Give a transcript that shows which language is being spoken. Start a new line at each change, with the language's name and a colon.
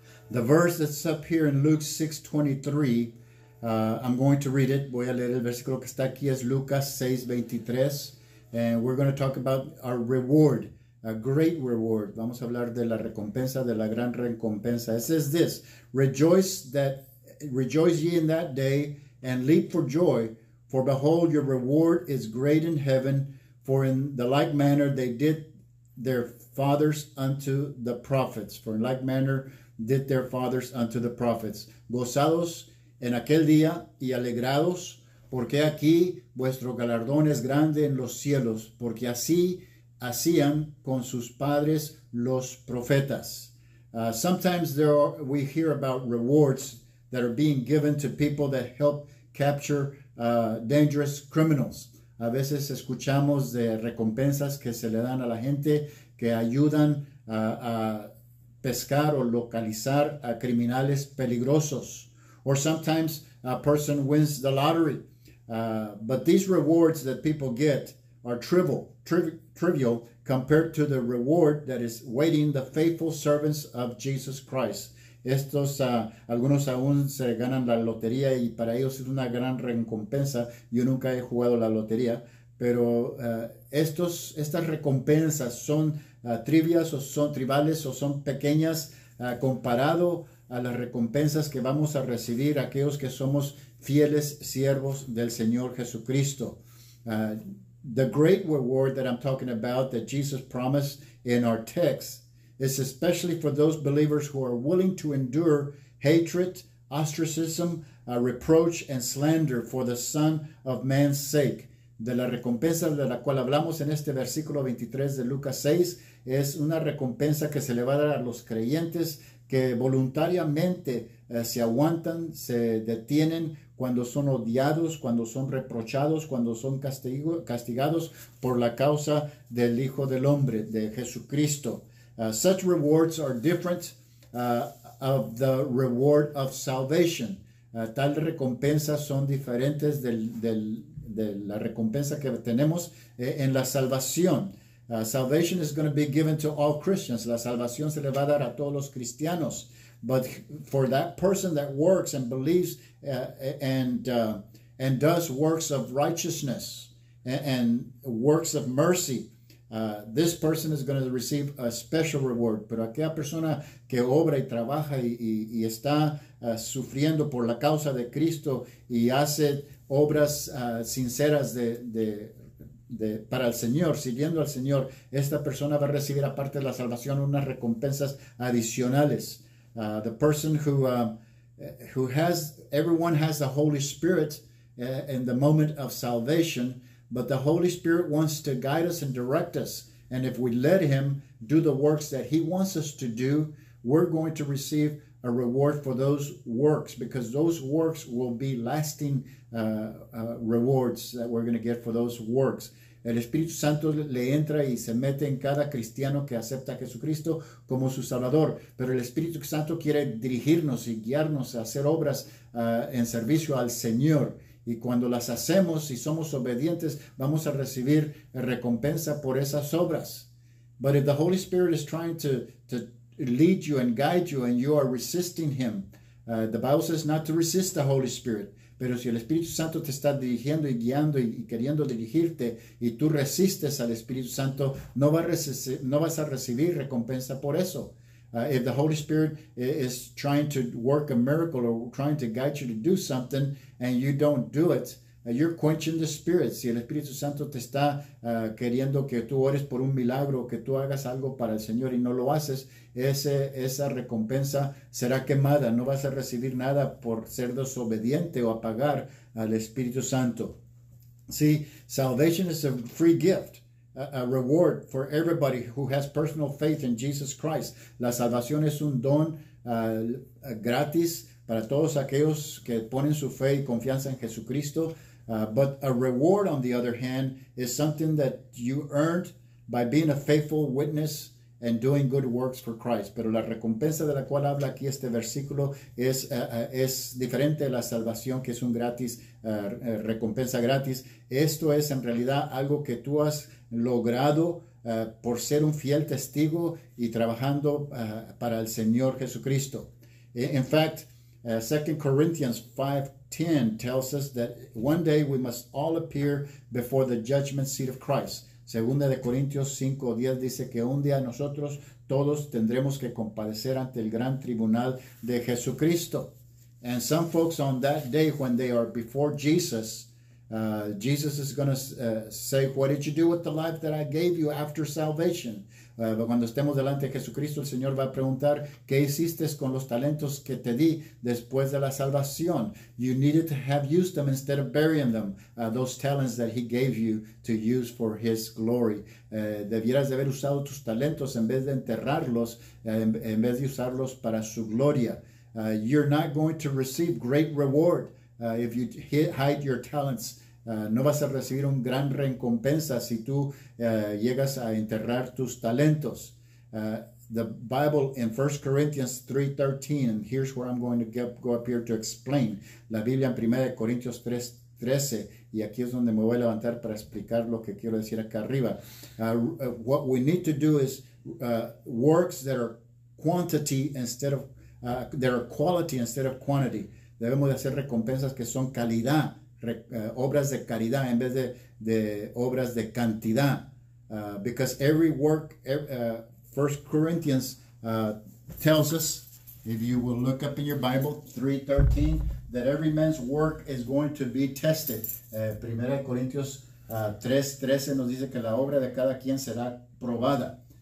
English: The verse that's up here in Luke 6:23, I'm going to read it.
Spanish: Voy a leer el versículo que está aquí, es Lucas 6:23.
English: And we're going to talk about our reward, a great reward.
Spanish: Vamos a hablar de la recompensa, de la gran recompensa.
English: It says this, rejoice ye in that day and leap for joy, for behold, your reward is great in heaven, for in the like manner they did their fathers unto the prophets. For in like manner did their fathers unto the prophets.
Spanish: Gozados en aquel día y alegrados, porque aquí vuestro galardón es grande en los cielos, porque así hacían con sus padres los profetas.
English: Sometimes we hear about rewards that are being given to people that help capture dangerous criminals.
Spanish: A veces escuchamos de recompensas que se le dan a la gente que ayudan a pescar o localizar a criminales peligrosos.
English: Or sometimes a person wins the lottery. But these rewards that people get are trivial compared to the reward that is waiting the faithful servants of Jesus Christ.
Spanish: Estos, algunos aún se ganan la lotería y para ellos es una gran recompensa. Yo nunca he jugado la lotería, pero estas recompensas son trivias o son tribales o son pequeñas comparado a las recompensas que vamos a recibir aquellos que somos fieles siervos del Señor Jesucristo.
English: The great reward that I'm talking about that Jesus promised in our text is especially for those believers who are willing to endure hatred, ostracism, reproach, and slander for the Son of Man's sake.
Spanish: De la recompensa de la cual hablamos en este versículo 23 de Lucas 6 es una recompensa que se le va a dar a los creyentes que voluntariamente se aguantan, se detienen cuando son odiados, cuando son reprochados, cuando son castigados por la causa del Hijo del Hombre, de Jesucristo.
English: Such rewards are different of the reward of salvation.
Spanish: Tal recompensa son diferentes de la recompensa que tenemos en la salvación.
English: Salvation is going to be given to all Christians.
Spanish: La salvación se le va a dar a todos los cristianos.
English: But for that person that works and believes and does works of righteousness and works of mercy, this person is going to receive a special reward.
Spanish: Pero aquella persona que obra y trabaja y está sufriendo por la causa de Cristo y hace obras sinceras de para el Señor, sirviendo al Señor, esta persona va a recibir, aparte de la salvación, unas recompensas adicionales.
English: The person who has, everyone has the Holy Spirit in the moment of salvation, but the Holy Spirit wants to guide us and direct us. And if we let Him do the works that He wants us to do, we're going to receive a reward for those works, because those works will be lasting rewards that we're going to get for those works.
Spanish: El Espíritu Santo le entra y se mete en cada cristiano que acepta a Jesucristo como su Salvador. Pero el Espíritu Santo quiere dirigirnos y guiarnos a hacer obras en servicio al Señor. Y cuando las hacemos y somos obedientes, vamos a recibir recompensa por esas obras.
English: But if the Holy Spirit is trying to lead you and guide you and you are resisting Him, the Bible says not to resist the Holy Spirit.
Spanish: Pero si el Espíritu Santo te está dirigiendo y guiando y queriendo dirigirte y tú resistes al Espíritu Santo, no vas a recibir recompensa por eso.
English: If the Holy Spirit is trying to work a miracle or trying to guide you to do something and you don't do it, you're quenching the Spirit.
Spanish: Si el Espíritu Santo te está queriendo que tú ores por un milagro, que tú hagas algo para el Señor y no lo haces, esa recompensa será quemada. No vas a recibir nada por ser desobediente o apagar al Espíritu Santo.
English: See, salvation is a free gift, a reward for everybody who has personal faith in Jesus Christ.
Spanish: La salvación es un don gratis para todos aquellos que ponen su fe y confianza en Jesucristo.
English: But a reward, on the other hand, is something that you earned by being a faithful witness and doing good works for Christ.
Spanish: Pero la recompensa de la cual habla aquí este versículo es diferente a la salvación, que es un gratis, recompensa gratis. Esto es en realidad algo que tú has logrado por ser un fiel testigo y trabajando para el Señor Jesucristo.
English: In fact, 2 Corinthians 5:10 tells us that one day we must all appear before the judgment seat of Christ.
Spanish: Segunda de Corintios 5:10 dice que un día nosotros todos tendremos que comparecer ante el gran tribunal de Jesucristo.
English: And some folks on that day when they are before Jesus, Jesus is going to say, what did you do with the life that I gave you after salvation?
Spanish: Cuando estemos delante de Jesucristo, el Señor va a preguntar, ¿qué hiciste con los talentos que te di después de la salvación?
English: You needed to have used them instead of burying them, those talents that He gave you to use for His glory.
Spanish: Debieras de haber usado tus talentos en vez de enterrarlos, en vez de usarlos para su gloria.
English: You're not going to receive great reward if you hide your talents.
Spanish: No vas a recibir un gran recompensa si tú llegas a enterrar tus talentos.
English: The Bible in 1 Corinthians 3:13, and here's where I'm going to go up here to explain.
Spanish: La Biblia en 1 Corintios 3:13, y aquí es donde me voy a levantar para explicar lo que quiero decir acá arriba.
English: What we need to do is works that are quantity instead of that are quality instead of quantity.
Spanish: Debemos de hacer recompensas que son calidad, obras de caridad en vez de obras de cantidad.
English: Because every work, 1 Corinthians tells us, if you will look up in your Bible, 3:13, that every man's work is going to be tested.
Spanish: 1 Corinthians 3:13 nos dice que la obra de cada quien será probada.